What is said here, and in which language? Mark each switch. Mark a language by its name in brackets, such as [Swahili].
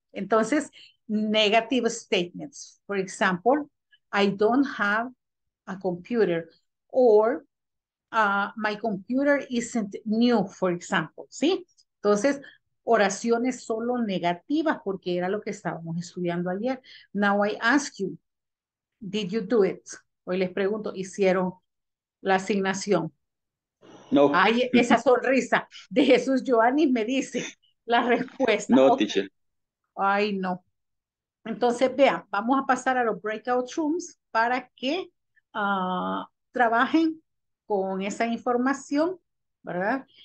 [Spanish] Entonces, [English] negative statements. For example, I don't have a computer, or my computer isn't new, for example, [Spanish] ¿sí? Entonces, oraciones solo negativas, porque era lo que estábamos estudiando ayer. [English] Now I ask you, did you do it? [Spanish] Hoy les pregunto, ¿hicieron la asignación? No. Ay, esa sonrisa de Jesús Giovanni me dice la respuesta. [English] No, okay. Teacher. [Spanish] Ay, no. Entonces, vean, vamos a pasar a los breakout rooms para que trabajen con esa información, ¿verdad?